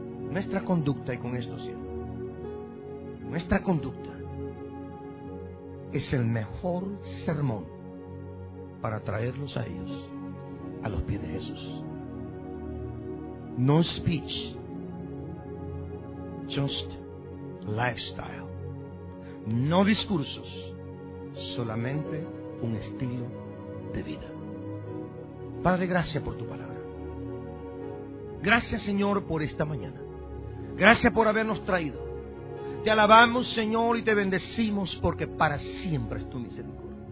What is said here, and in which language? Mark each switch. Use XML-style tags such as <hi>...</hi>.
<es>Nuestra conducta, y con esto cierro, nuestra conducta es el mejor sermón para traerlos a ellos, a los pies de Jesús.</es> <en>No speech, just lifestyle.</en> <es>No discursos, solamente un estilo de vida. Padre, gracias por tu palabra. Gracias, Señor, por esta mañana. Gracias por habernos traído. Te alabamos, Señor, y te bendecimos porque para siempre es tu misericordia.</es>